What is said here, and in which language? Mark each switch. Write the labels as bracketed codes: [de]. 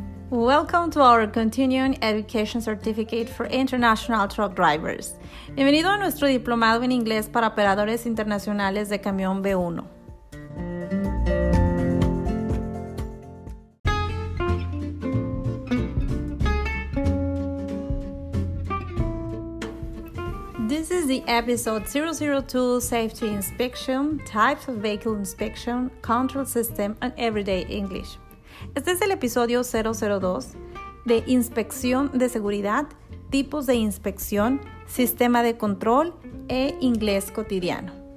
[en] Welcome to our Continuing Education Certificate for International Truck Drivers. [es] Bienvenido a nuestro diplomado en inglés para operadores internacionales de camión B1. [en] This is the episode 002 Safety Inspection, Types of Vehicle Inspection, Control System, and Everyday English. [es] Este es el episodio 002 de Inspección de Seguridad, Tipos de Inspección, Sistema de Control e Inglés Cotidiano.